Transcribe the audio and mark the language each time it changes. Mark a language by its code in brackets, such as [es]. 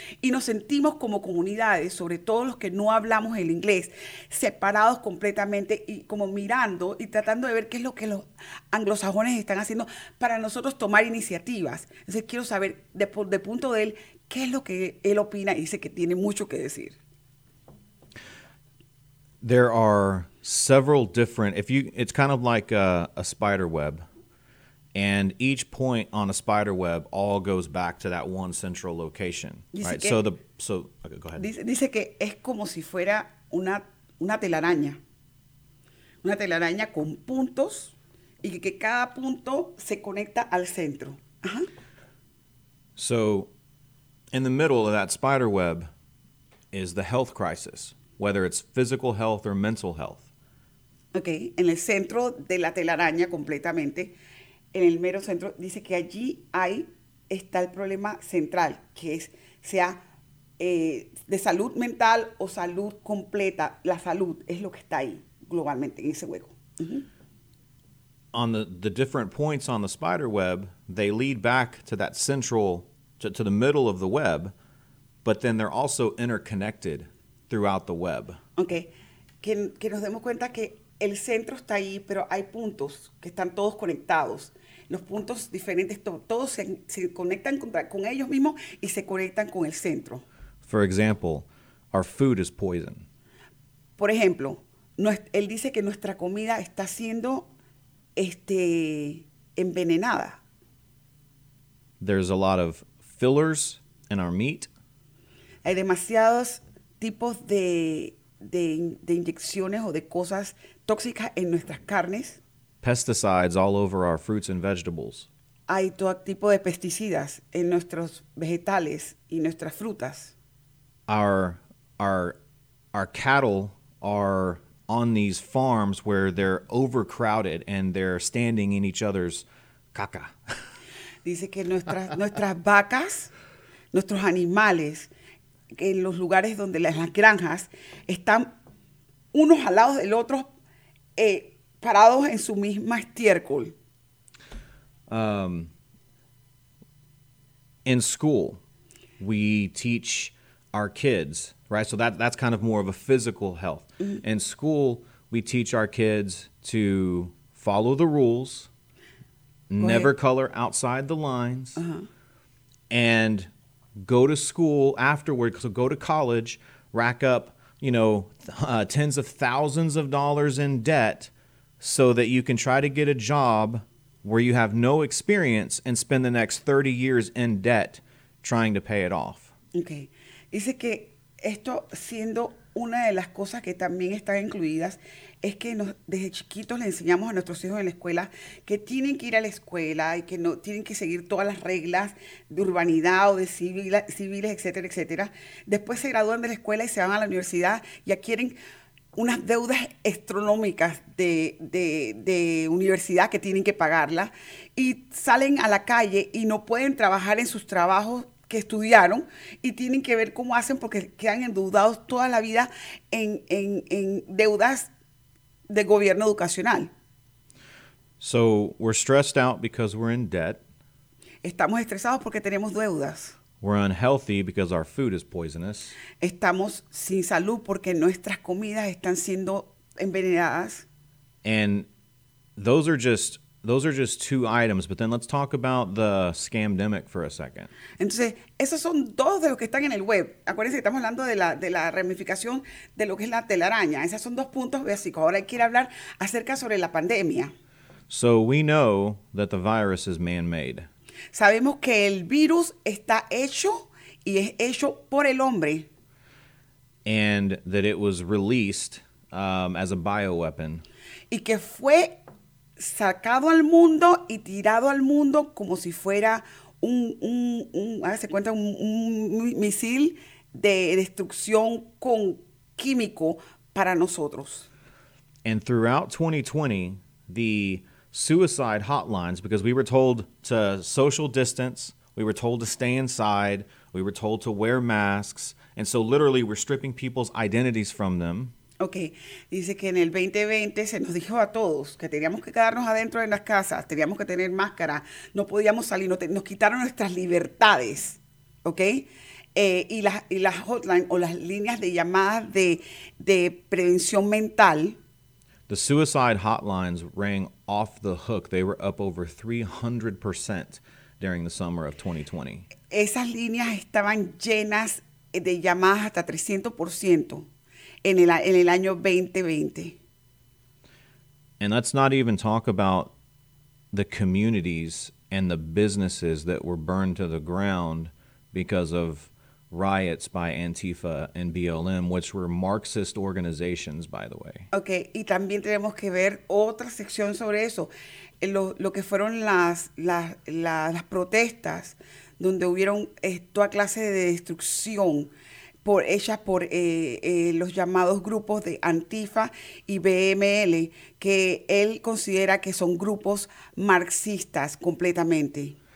[es] Y nos sentimos como comunidades, sobre todo los que no hablamos el inglés, separados completamente y como mirando y tratando de ver qué es lo que los anglosajones están haciendo para nosotros tomar iniciativas. Entonces quiero saber de punto de él, qué es lo que él opina y dice que tiene mucho que decir. [en] There are several different, it's kind of like a spider web. And each point on a spider web all goes back to that one central location, right? Go ahead. [es] Dice que es como si fuera una telaraña con puntos, y que cada punto se conecta al centro. [en] So, in the middle of that spider web is the health crisis, whether it's physical health or mental health. [es] Okay, en el centro de la telaraña completamente. En el mero centro dice que allí ahí está el problema central, que es sea de salud mental o salud completa. La salud es lo que está ahí globalmente en ese hueco. Mm-hmm. [en] On the different points on the spider web, they lead back to that central, to the middle of the web, but then they're also interconnected throughout the web. [es] Okay, que nos demos cuenta que el centro está ahí, pero hay puntos que están todos conectados. Los puntos diferentes, todos se conectan con ellos mismos y se conectan con el centro. [en] For example, our food is poison. [es] Por ejemplo, él dice que nuestra comida está siendo envenenada. [en] There's a lot of fillers in our meat. [es] Hay demasiados tipos de inyecciones o de cosas tóxicas en nuestras carnes. [en] Pesticides all over our fruits and vegetables. [es] Hay todo tipo de pesticidas en nuestros vegetales y nuestras frutas. [en] Our cattle are on these farms where they're overcrowded and they're standing in each other's caca. [es] Dice que nuestras vacas, nuestros animales, en los lugares donde las granjas están unos al lado del otro, parados en su misma estiércol. [en] In school, we teach our kids, right? So that's kind of more of a physical health. Mm-hmm. In school, we teach our kids to follow the rules, never color outside the lines, and go to school afterward. So go to college, rack up, tens of thousands of dollars in debt, so that you can try to get a job where you have no experience and spend the next 30 years in debt trying to pay it off. Okay. [es] Dice que esto siendo una de las cosas que también están incluidas es que desde chiquitos le enseñamos a nuestros hijos en la escuela que tienen que ir a la escuela y que no tienen que seguir todas las reglas de urbanidad o de civiles, etcétera, etcétera. Después se gradúan de la escuela y se van a la universidad y adquieren unas deudas astronómicas de universidad que tienen que pagarla y salen a la calle y no pueden trabajar en sus trabajos que estudiaron y tienen que ver cómo hacen porque quedan endeudados toda la vida en deudas de gobierno educacional. [en] So we're stressed out because we're in debt. [es] Estamos estresados porque tenemos deudas. [en] We're unhealthy because our food is poisonous. [es] Estamos sin salud porque nuestras comidas están siendo envenenadas. [en] And those are just two items, but then let's talk about the scamdemic for a second. [es] Entonces, esos son dos de los que están en el web. Acuérdense que estamos hablando de la ramificación de lo que es la telaraña. Esos son dos puntos básicos. Ahora hay que ir a hablar acerca sobre la pandemia. [en] So we know that the virus is man-made. [es] Sabemos que el virus está hecho y es hecho por el hombre. [en] And that it was released as a bioweapon. [es] Y que fue sacado al mundo y tirado al mundo como si fuera un misil de destrucción con químico para nosotros. [en] And throughout 2020, the suicide hotlines, because we were told to social distance, we were told to stay inside, we were told to wear masks, and so literally we're stripping people's identities from them. [es] Okay, dice que en el 2020 se nos dijo a todos que teníamos que quedarnos adentro en las casas, teníamos que tener máscara, no podíamos salir, nos quitaron nuestras libertades, okay? Y las hotline o las líneas de llamadas de prevención mental. [en] The suicide hotlines rang off the hook. They were up over 300% during the summer of 2020. [es] Esas líneas estaban llenas de llamadas hasta 300% en el año 2020. [en] And let's not even talk about the communities and the businesses that were burned to the ground because of riots by Antifa and BLM, which were Marxist organizations, by the way. [es] Okay, y también tenemos que ver otra sección sobre eso. Lo que fueron las protestas, donde hubieron toda clase de destrucción por hechas por los llamados grupos de Antifa y BML, que él considera que son grupos marxistas completamente.